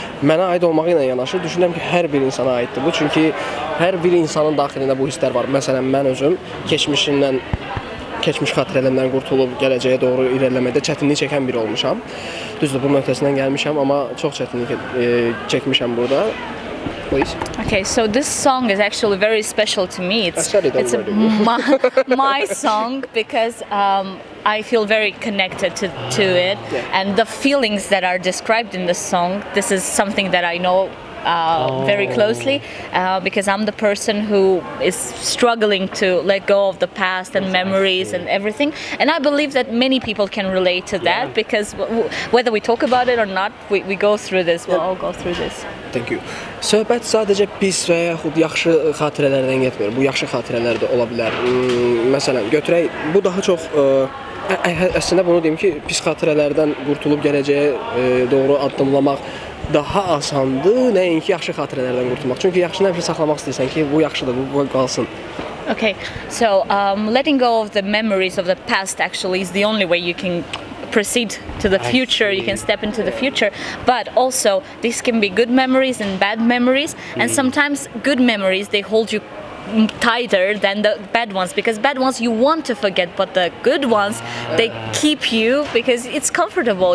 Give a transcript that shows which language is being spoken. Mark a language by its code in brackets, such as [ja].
[az] Mənə aid olmağıyla yanaşı düşünürüm ki hər bir insana aiddi bu. Çünkü hər bir insanın daxilində bu hisslər var. Məsələn mən özüm keçmişindən keçmiş xatirələrimdən qurtulub gələcəyə doğru irəliləməkdə çətinlik çəkən biri olmuşam. Düzdür, bunun ötəsindən gəlmişəm, amma çox çətinlik çəkmişəm burada. [en] Okay, so this song is actually very special to me. It's my song because I feel very connected to it. Yeah. And the feelings that are described in the song, this is something that I know very closely, because I'm the person who is struggling to let go of the past and memories and everything, and I believe that many people can relate to that, because whether we talk about it or not, we go through this. We'll all go through this. Thank you. [az] Söhbət sadəcə pis və yaxud yaxşı xatirələrdən getmir. Bu yaxşı xatirələr də ola bilər. Məsələn, götürək, bu daha çox əslində bunu deyim ki, pis xatirələrdən qurtulub gələcəyə doğru addımlamaq daha asandır, nəinki yaxşı xatirələrdən qurtulmaq. Çünki yaxşını həmişə saxlamaq istəyirsən ki, bu yaxşıdır, bu qalsın. [en] Okay, so letting go of the memories of the past actually is the only way you can proceed to the future, you can step into the future, but also this can be good memories and bad memories, and sometimes good memories, they hold you tighter than the bad ones, because bad ones you want to forget, but the good ones they keep you because it's comfortable.